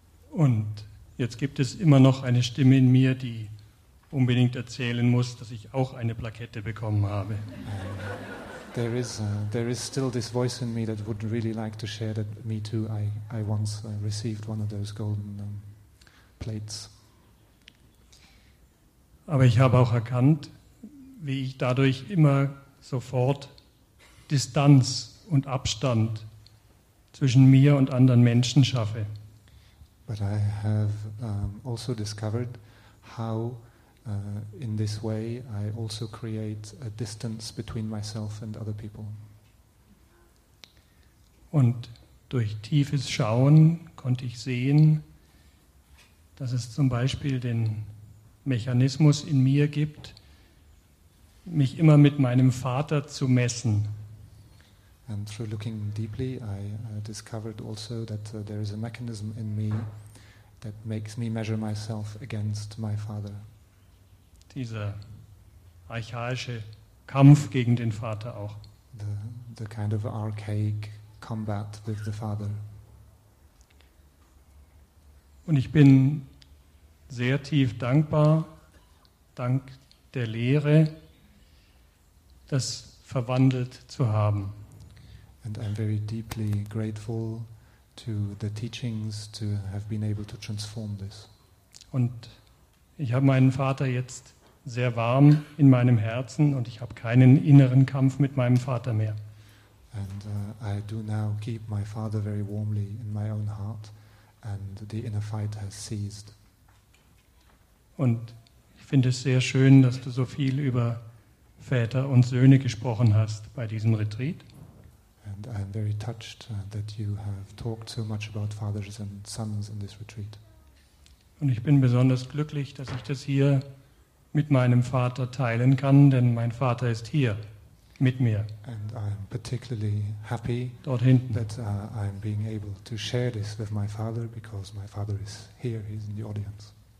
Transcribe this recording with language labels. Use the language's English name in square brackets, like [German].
[German] Und jetzt gibt es immer noch eine Stimme in mir, die unbedingt erzählen muss, dass ich auch eine Plakette bekommen habe. [English] There is still this voice in me that would really like to share that me too, I once received one of those golden plates. [German] Aber ich habe auch erkannt, wie ich dadurch immer sofort Distanz und Abstand zwischen mir und anderen Menschen schaffe. [English] But I have also discovered how in this way I also create a distance between myself and other people. [German] Und durch tiefes Schauen konnte ich sehen, dass es zum Beispiel den Mechanismus in mir gibt, mich immer mit meinem Vater zu messen. [English] And through looking deeply, I discovered also that there is a mechanism in me that makes me measure myself against my father. [German] Dieser archaische Kampf gegen den Vater auch. [English] The kind of archaic combat with the father. [German] Und ich bin sehr tief dankbar, dank der Lehre, das verwandelt zu haben. [English] And I'm very deeply grateful to the teachings to have been able to transform this. [German] Und ich habe meinen Vater jetzt sehr warm in meinem Herzen und ich habe keinen inneren Kampf mit meinem Vater mehr. [English] And I do now keep my father very warmly in my own heart and the inner fight has ceased. [German] Und ich finde es sehr schön, dass du so viel über Väter und Söhne gesprochen hast bei diesem Retreat. [English] And I'm very touched that you have talked so much about fathers and sons in this retreat. [German] Und ich bin besonders glücklich, dass ich das hier mit meinem Vater teilen kann, denn mein Vater ist hier mit mir. [English] And I'm particularly happy [German] dort hinten [English] that I'm being able to share this with my father because my father is here, he's in the audience.